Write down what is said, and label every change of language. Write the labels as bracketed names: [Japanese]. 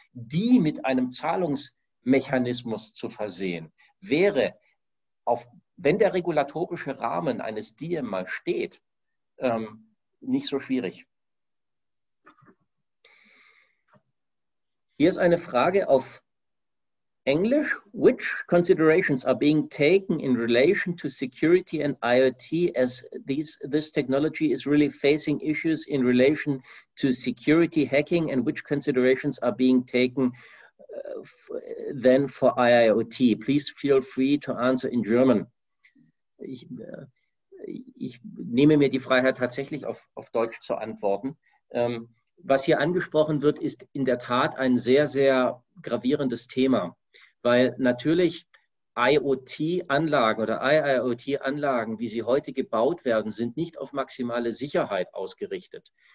[German] Die mit einem Zahlungsmechanismus zu versehen, wäre, wenn der regulatorische Rahmen eines Diem mal steht, nicht so schwierig. Hier ist eine Frage auf Englisch. [English] Which considerations are being taken in relation to security and IoT as this technology is really facing issues in relation to security hacking and which considerations are being taken then for IoT? Please feel free to answer in German. [German] Ich nehme mir die Freiheit, tatsächlich auf Deutsch zu antworten. Was hier angesprochen wird, ist in der Tat ein sehr, sehr gravierendes Thema, weil natürlich IoT-Anlagen oder IIoT-Anlagen, wie sie heute gebaut werden, sind nicht auf maximale Sicherheit ausgerichtet.